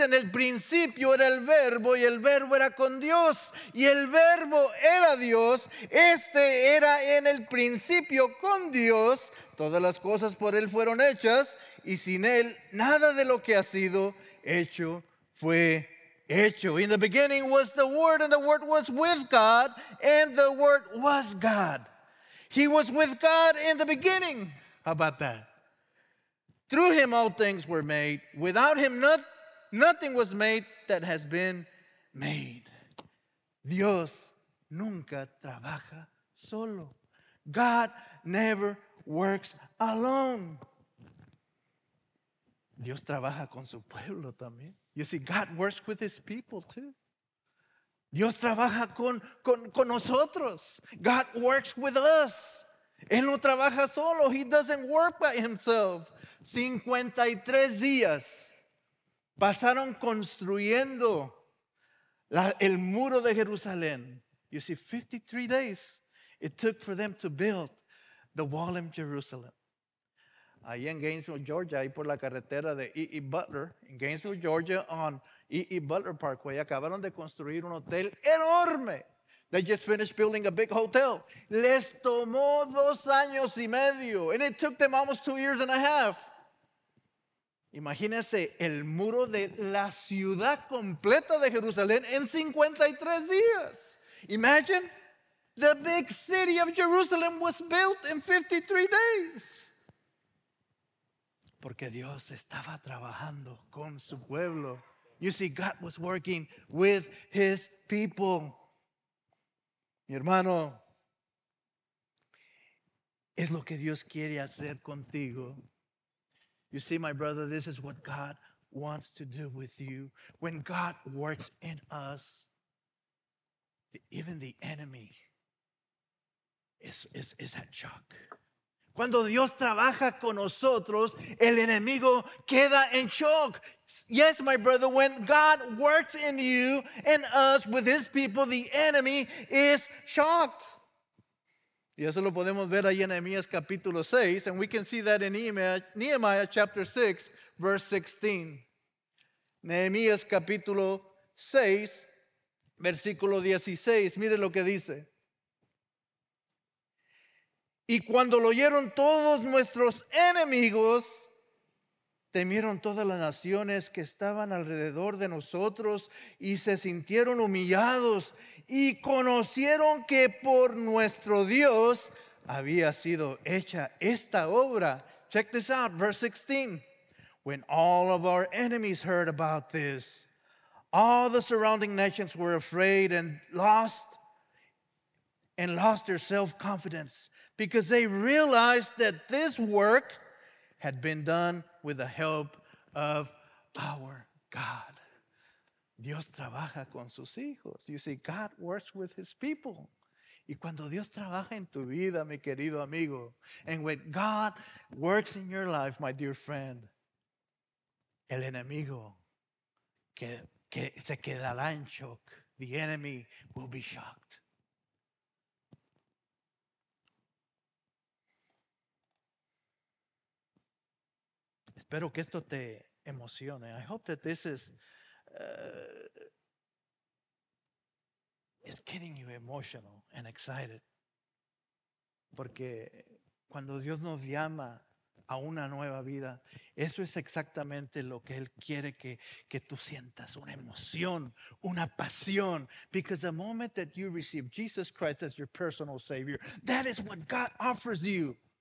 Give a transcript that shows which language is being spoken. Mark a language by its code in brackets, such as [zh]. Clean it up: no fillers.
[es] En el principio era el verbo y el verbo era con Dios. Y el verbo era Dios. Este era en el principio con Dios. Todas las cosas por él fueron hechas. Y sin él, nada de lo que ha sido hecho fue hecho. [en] In the beginning was the Word, and the Word was with God, and the Word was God. He was with God in the beginning. How about that? Through him all things were made. Without him nothing was made that has been made. [es] Dios nunca trabaja solo. [en] God never works alone. [es] Dios trabaja con su pueblo también. [en] You see, God works with his people too. [es] Dios trabaja con nosotros. [en] God works with us. [es] Él no trabaja solo. [en] He doesn't work by himself. [es] 53 días pasaron construyendo el muro de Jerusalén. [en] You see, 53 days it took for them to build the wall in Jerusalem. [es] Ahí en Gainesville, Georgia, ahí por la carretera de E.E. Butler, en Gainesville, Georgia, [en] on E.E. Butler Parkway, [es] acabaron de construir un hotel enorme. [en] They just finished building a big hotel. [es] Les tomó 2 años y medio, [en] and it took them almost 2 years and a half. [es] Imagínense el muro de la ciudad completa de Jerusalén en 53 días. [en] Imagine, the big city of Jerusalem was built in 53 days. [es] Porque Dios estaba trabajando con su pueblo. [en] You see, God was working with his people. [es] Mi hermano, es lo que Dios quiere hacer contigo. [en] You see, my brother, this is what God wants to do with you. When God works in us, even the enemy is at shock. [es] Cuando Dios trabaja con nosotros, el enemigo queda en shock. [en] Yes, my brother, when God works in you and us with his people, the enemy is shocked. [es] Y eso lo podemos ver ahí en Nehemiah capítulo 6, [en] and we can see that in Nehemiah chapter 6, verse 16. [es] Nehemiah capítulo 6, versículo 16, mire lo que dice. Y cuando lo oyeron todos nuestros enemigos, temieron todas las naciones que estaban alrededor de nosotros y se sintieron humillados y conocieron que por nuestro Dios había sido hecha esta obra. [en] Check this out, verse 16. When all of our enemies heard about this, all the surrounding nations were afraid and lost their self-confidence. Because they realized that this work had been done with the help of our God. [es] Dios trabaja con sus hijos. [en] You see, God works with his people. [es] Y cuando Dios trabaja en tu vida, mi querido amigo, [en] and when God works in your life, my dear friend, [es] el enemigo que se quedará en shock. [en] The enemy will be shocked. [es] Espero que esto te emocione. [en] I hope that this is getting you emotional and excited. [es] Porque cuando Dios nos llama a una nueva vida, eso es exactamente lo que Él quiere que tú sientas, una emoción, una pasión. [en] Because the moment that you receive Jesus Christ as your personal Savior, that is what God offers you.